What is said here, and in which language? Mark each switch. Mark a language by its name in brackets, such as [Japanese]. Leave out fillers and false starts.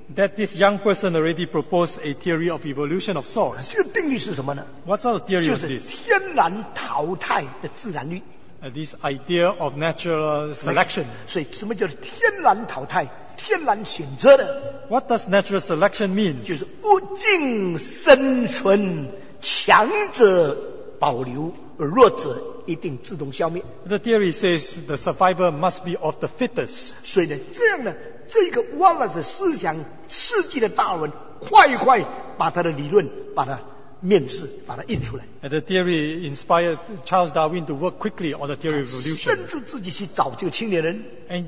[English] That this young person already proposed a theory of evolution of sorts. [Chinese] 这个定律是什么呢? [English] What sort of theory is this? [Chinese] 就是天然淘汰的自然律。 [English] This idea of natural selection. [Chinese] 所以什么叫天然淘汰?天然选择的。 [English] What does natural selection mean? [Chinese] 就是物竞生存。强者保留，弱者一定自动消灭。The [English] theory says the survivor must be of the fittest. [Chinese] 所以呢，这样呢，这个 Wallace 思想刺激了达尔文，快快把他的理论，把它面世，把它印出来。The [English] theory inspired Charles Darwin to work quickly on the theory of evolution. [Chinese] 甚至自己去找这个青年人。And